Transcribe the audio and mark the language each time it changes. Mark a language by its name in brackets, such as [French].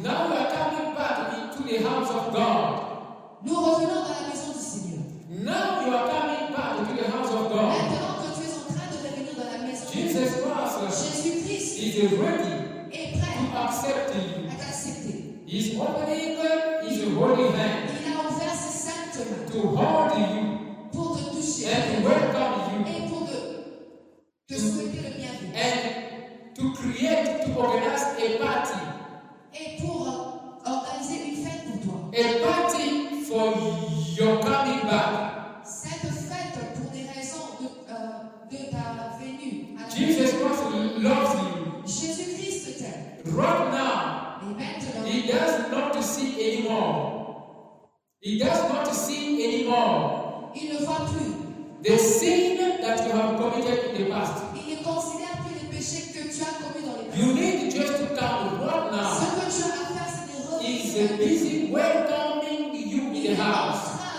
[English] Now, we are coming back into the house of God. [French] Nous revenons dans la maison du Seigneur. [English] Now, you are coming back into the house of God. [French] Maintenant que tu es en train de revenir dans la maison du Seigneur. Jésus-Christ [English] is ready. [French] Est prêt. [English] To accept you. He's opening his holy hand to hold you [French] pour te toucher, [English] and to welcome you [French] et pour te souhaiter le bienvenue, [English] and to create, to organize a party [French] et pour organiser une fête pour toi. [English] A party for your coming back. [French] Cette fête pour des raisons de ta venue. [English] Jesus Christ loves you. [French] Jésus-Christ t'aime. [English] Right now. He does not see anymore. He does not see anymore. [French] Il ne voit plus. [English] The sin that you have committed in the past. [French] Il ne considère plus les péchés que tu as commis dans le passé. [English] You need just to come right now. [French] Ce que tu as à faire, c'est de revenir. [English] He is busy welcoming you in the house.